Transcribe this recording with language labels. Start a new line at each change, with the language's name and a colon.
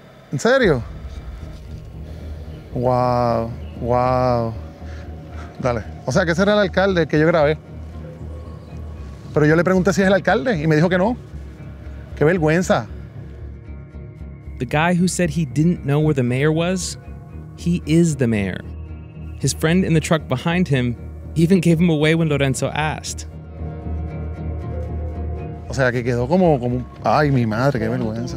Spanish: ¿En serio? Wow, wow. Dale. O sea, que ese era el alcalde que yo grabé. Pero yo le pregunté si es el alcalde y me dijo que no. ¡Qué vergüenza!
English: The guy who said he didn't know where the mayor was, he is the mayor. His friend in the truck behind him even gave him away when Lorenzo asked.
Spanish: O sea, que quedó como ay, mi madre, qué vergüenza.